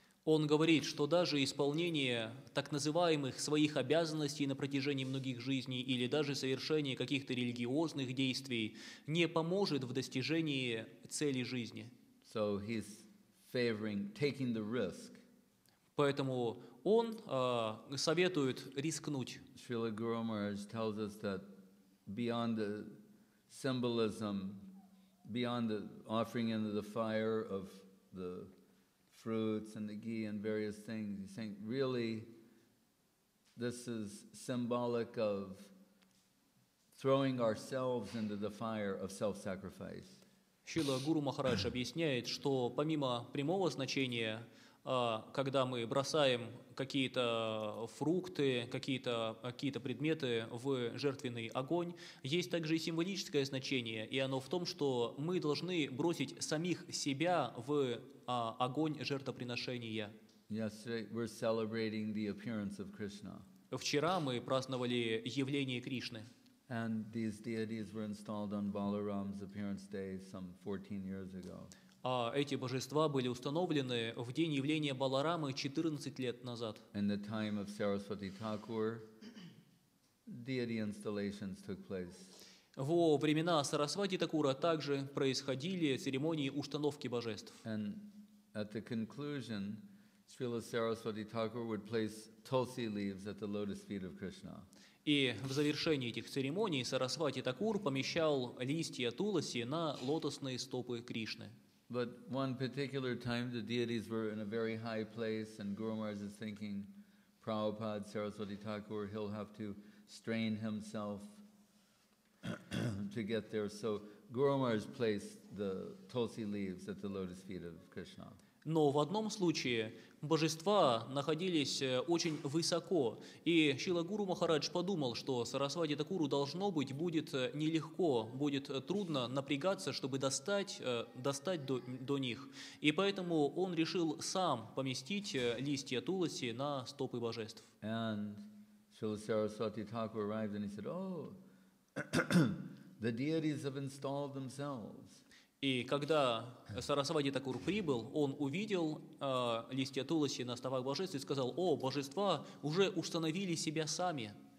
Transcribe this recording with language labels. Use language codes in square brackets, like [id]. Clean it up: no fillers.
[ru] Он говорит, что даже исполнение так называемых своих обязанностей на протяжении многих жизней или даже совершение каких-то религиозных действий не поможет в достижении цели жизни. [en] So he's favoring taking the risk. [ru] Поэтому он советует рискнуть. [en] Srila Guru Maharaj tells us that beyond the symbolism, beyond the offering into the fire of the fruits and the ghee and various things, he's saying, really, this is symbolic of throwing ourselves into the fire of self-sacrifice. [ru] Шрила Гуру Махарадж объясняет, что помимо прямого значения, когда мы бросаем какие-то фрукты, какие-то предметы в жертвенный огонь, есть также и символическое значение, и оно в том, что мы должны бросить самих себя в огонь жертвоприношения. [en] Yesterday we're celebrating the appearance of Krishna. [ru] Вчера мы праздновали явление Кришны. [en] And these deities were installed on Balaram's appearance day some 14 years ago. [ru] А эти божества были установлены в день явления Баларамы 14 лет назад. [en] In the time of Saraswati Thakur, deity installations took place. [ru] Во времена Сарасвати Такура также происходили церемонии установки божеств. [en] And at the conclusion, Srila Saraswati Thakur would place tulsi leaves at the lotus feet of Krishna. [ru] И в завершении этих церемоний Сарасвати Такур помещал листья туласи на лотосные стопы Кришны. [en] But one particular time the deities were in a very high place and Guru Maharaj is thinking, Prabhupada, Saraswati Thakur, he'll have to strain himself to get there. So Guru Maharaj placed the tulsi leaves at the lotus feet of Krishna. [ru] Но в одном случае божества находились очень высоко, и Шрила Гуру Махарадж подумал, что Сарасвати Такуру должно быть будет нелегко, будет трудно напрягаться, чтобы достать до них. И поэтому он решил сам поместить листья туласи на стопы божеств. [en] And Srila Saraswati Thakur arrived and he said, oh, the deities have installed themselves. [ru] И когда Сарасвати Такур прибыл, он увидел листья туласи на стопах божеств и сказал, «О, божества уже установили себя сами».